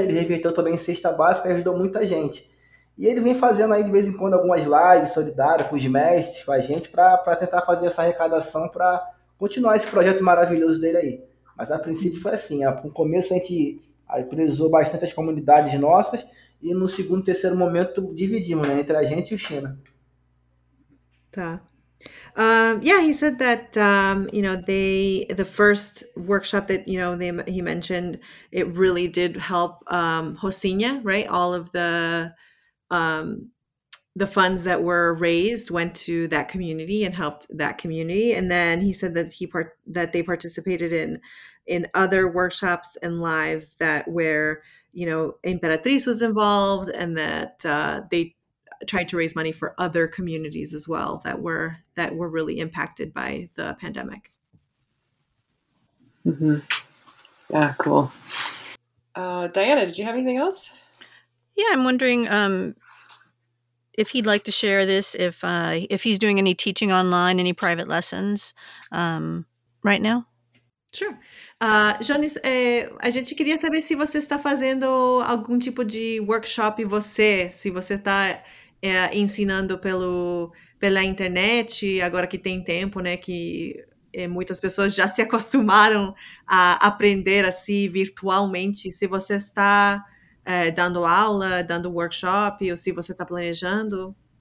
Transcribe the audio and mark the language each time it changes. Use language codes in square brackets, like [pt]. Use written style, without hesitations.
[pt] Ele reverteu também em cesta básica e ajudou muita gente. E ele vem fazendo aí de vez em quando algumas lives solidárias com os mestres, com a gente, para tentar fazer essa arrecadação, para continuar esse projeto maravilhoso dele aí. Mas a princípio foi assim. No começo a gente priorizou bastante as comunidades nossas e no segundo, terceiro momento dividimos, né, entre a gente e o China. Tá. [en] Yeah, he said that, you know, the first workshop that, you know, he mentioned, it really did help, Rocinha, right? All of the funds that were raised went to that community and helped that community. And then he said that they participated in other workshops and lives that where, you know, Imperatriz was involved and that, they tried to raise money for other communities as well that were really impacted by the pandemic. Mm-hmm. Yeah, cool. Diana, did you have anything else? Yeah, I'm wondering if he'd like to share this, if he's doing any teaching online, any private lessons right now. Sure. [pt] Jhones, a gente queria saber se você está fazendo algum tipo de workshop se você está... ensinando pela internet, agora que tem tempo, né, que muitas pessoas já se acostumaram a aprender assim virtualmente, se você está dando aula, dando workshop, ou se você está planejando?